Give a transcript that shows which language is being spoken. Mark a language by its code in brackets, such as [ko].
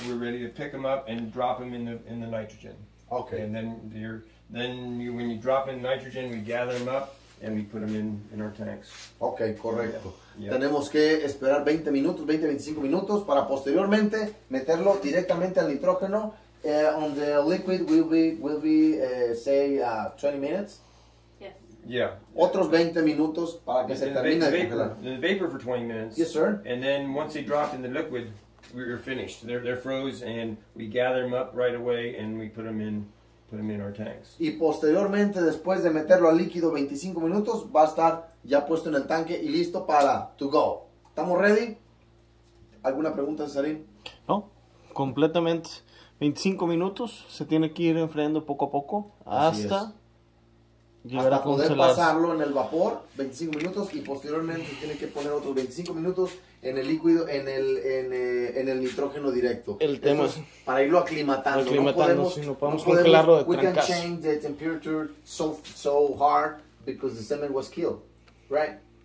[en] we're ready to pick them up and drop them in the nitrogen. Okay. And then when you drop in nitrogen, we gather them up and we put them in our tanks. Okay, correcto. Yeah. [es] Tenemos que esperar 20 minutos, 20, 25 minutos para posteriormente meterlo directamente al nitrógeno. [en] On the liquid will be 20 minutes. Yeah. [es] Otros 20 minutos para que se termine el congelador. [en] The vapor for 20 minutes. Yes, sir. And then once they drop in the liquid, we're finished. They're froze and we gather them up right away and we put them in our tanks. [es] Y posteriormente, después de meterlo al líquido 25 minutos, va a estar ya puesto en el tanque y listo para [en] to go. [es] ¿Estamos ready? ¿Alguna pregunta, Cesarín? No, completamente. 25 minutos, se tiene que ir enfriando poco a poco hasta... Hasta poder pasarlo en el vapor, 25 minutos, y posteriormente tiene que poner otros 25 minutos en el líquido, en el nitrógeno directo. El tema es para irlo aclimatando. No podemos congelarlo de trancazo. [en] We can change the temperature so hard because the semen was killed, right?